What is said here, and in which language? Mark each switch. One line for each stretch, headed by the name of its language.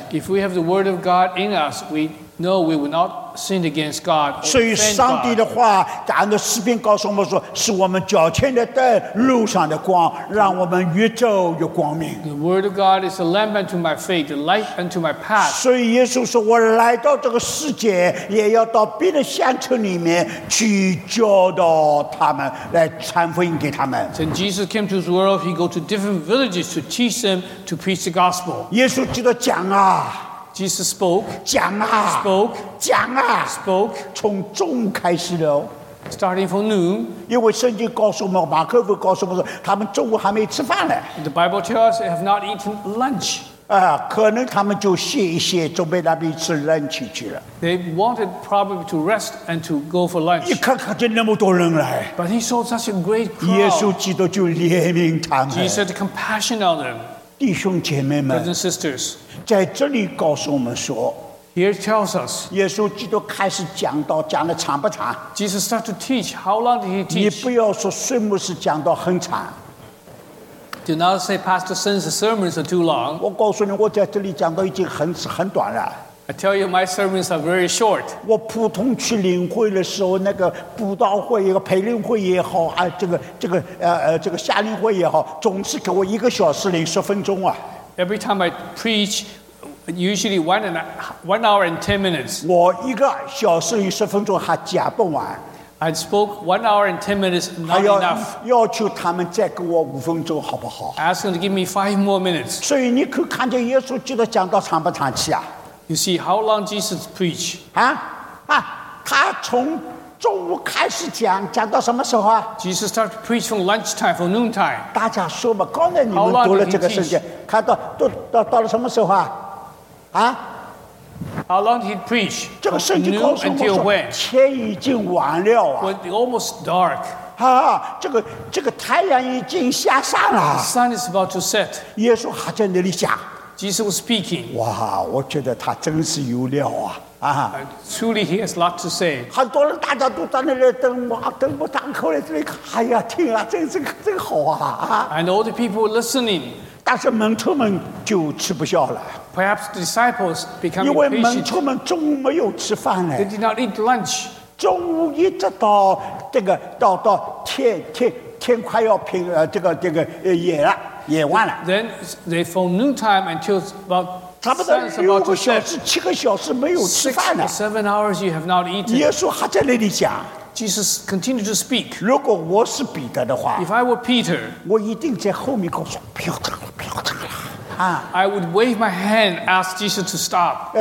English: If we have the word of God in us, we No, we will not sin against God.
Chinese: 所以上帝的话，按照诗篇告诉我们说，是我们脚前的灯，路上的光，让我们越走越光明。
English: The word of God is a lamp unto my feet, a light unto my path.
Chinese: 所以耶稣说，我来到这个世界，也要到别的乡村里面去教导他们，来传福音给他们。
English: When Jesus came to this world, he go to different villages to teach them to preach the gospel.
Chinese: 耶稣基督讲啊。
English: Jesus spoke,
Chinese: 讲啊,
English: spoke,
Chinese: 讲啊,
English: spoke,
Chinese: 从中开始了,
English: starting from noon,
Chinese: 因为圣经告诉我们, 马可福音告诉我们说, 他们中午还没吃饭了,
English: the Bible tells us they have not eaten lunch,
Chinese: 可能他们就歇一歇, 准备那边吃 lunch 去了,
English: they wanted probably to rest and to go for lunch,
Chinese: 一看看见那么多人来,
English: but he saw such a great crowd,
Chinese: 耶稣基督就怜悯他们,
English: Jesus had compassion on them,
Chinese: 弟兄姐妹们,
English: brothers and sisters,
Chinese: 在这里告诉我们说
English: Here it tells us
Chinese: 耶稣基督开始讲道讲得长不长
English: Jesus started to teach How long did he teach?
Chinese: 你不要说孙牧师讲道很长
English: Do not say Pastor Sun's sermons are too long
Chinese: 我告诉你我在这里讲道已经 很短了
English: I tell you my sermons are very short
Chinese: 我普通去领会的时候那个布道会一个培灵会也好、啊、这个夏令会也好总是给我一个小时零十分钟啊
English: Every time I preach, usually one hour and 10 minutes.
Chinese: 我一个小时零十分钟还讲不完。
English: I spoke 1 hour and 10 minutes, not enough.
Chinese: 还要要求他们再给我五分钟，好不好
English: ？Ask them to give me 5 more minutes.
Chinese: 所以你可看见耶稣基督讲到长不长期啊
English: ？You see how long Jesus preached?
Chinese: 他从中午开始讲，讲到什么时候啊
English: ？Jesus started to preach from lunchtime, from noontime.
Chinese: 大家说吧，刚才你们读了这个圣经，看到到了什么时候啊？啊
English: ？How long did he preach?
Chinese: 这个圣经告诉我们说，天已经晚了啊。
English: It's almost dark.
Chinese: 啊，这个太阳已经下山了。
English: The sun is about to set.
Chinese: 耶稣还在那里讲。
English: Jesus was speaking.
Chinese: 哇，我觉得他真是有料啊。
English: Truly, he has a lot to say.
Chinese: 很多人大家都在那里等哇，等不等口来这里，哎呀，听啊，真好啊！
English: And all the people were listening.
Chinese: 但是门徒们就吃不消了。
English: Perhaps the disciples became impatient.
Chinese: 因为门徒们中午没有吃饭呢。
English: They did not eat lunch.
Chinese: 中午一直到这个到天快要平这个夜了，夜晚了。
English: Then they from noontime until about
Chinese: 差不多六个小时、七个小时没有吃饭了。
English: 7 hours you have not eaten.
Chinese: 耶稣还在那里讲。
English: Jesus continued to speak.
Chinese: 如果我是彼得的话
English: ，If I were Peter，
Chinese: 我一定在后面告诉不要等了，不要等了。
English: I would wave my hand, ask Jesus to stop.